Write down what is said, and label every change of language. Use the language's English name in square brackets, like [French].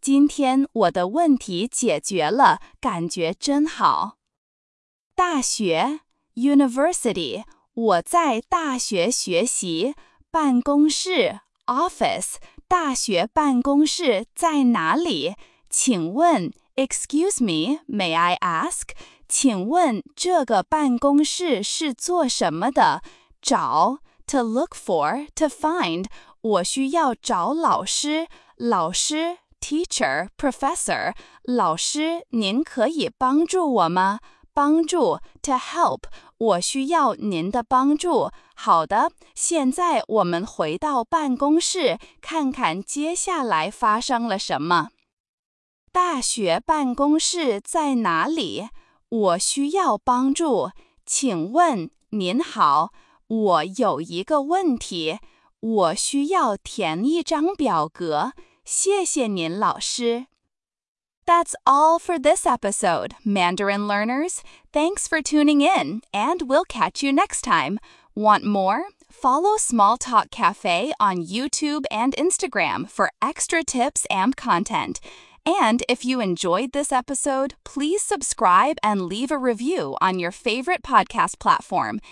[Chinese] 今天我的问题解决了，感觉真好。大学 University， 我在大学学习。办公室 Office， 大学办公室在哪里？请问 [English] Excuse me, may I ask？ [Chinese] 请问这个办公室是做什么的？找 [English] to look for, to find, [Chinese] 我需要找老师。老师 [English] teacher, professor, [Chinese] 老师您可以帮助我吗？帮助 [English] to help, [Chinese] 我需要您的帮助。好的，现在我们回到办公室，看看接下来发生了什么。大学办公室在哪里？我需要帮助，请问您好，我有一个问题，我需要填一张表格，谢谢您老师。 [English] That's all for this episode, Mandarin learners. Thanks for tuning in, and we'll catch you next time. Want more? Follow Small Talk Cafe on YouTube and Instagram for extra tips and content. And if you enjoyed this episode, please subscribe and leave a review on your favorite podcast platform.